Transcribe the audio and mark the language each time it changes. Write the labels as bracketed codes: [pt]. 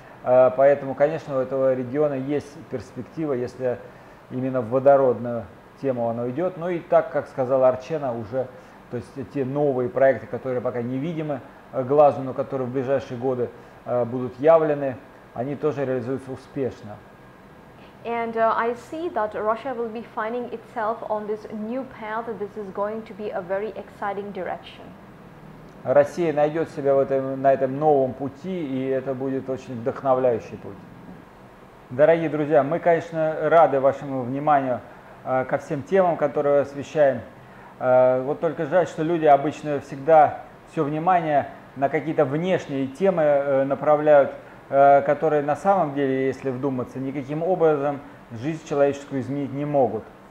[ru] Поэтому, конечно, у этого региона есть перспектива, если именно в водородную тему оно идет. Ну и так, как сказала Арчена, уже, то есть те новые проекты, которые пока невидимы глазу, но которые в ближайшие годы будут явлены, они тоже реализуются успешно. [en] And I see that Russia will be finding itself on this new path. This is going to be a very exciting direction. [ru] Россия найдет себя в этом, на этом новом пути, и это будет очень вдохновляющий путь. Дорогие друзья, мы, конечно, рады вашему вниманию ко всем темам, которые освещаем. Вот только жаль, что люди обычно всегда все внимание на какие-то внешние темы направляют, которые на самом деле, если вдуматься, никаким образом жизнь человеческую изменить не могут.